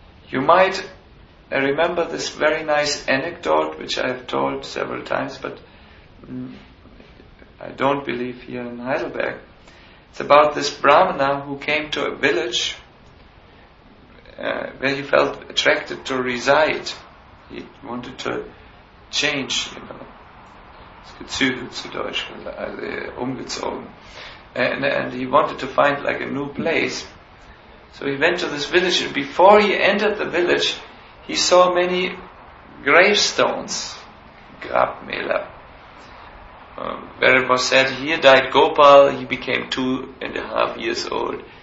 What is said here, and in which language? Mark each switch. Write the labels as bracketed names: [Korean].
[English] You might remember this very nice anecdote which I have told several times, but I don't believe here in Heidelberg. It's about this Brahmana who came to a village where he felt attracted to reside. He wanted to change, you know. [German] Gezügelt zu Deutsch, also umgezogen. [English] And he wanted to find like a new place. So he went to this village, and before he entered the village, he saw many gravestones, Grabmäler, where it was said, here died Gopal, he became 2.5 years old.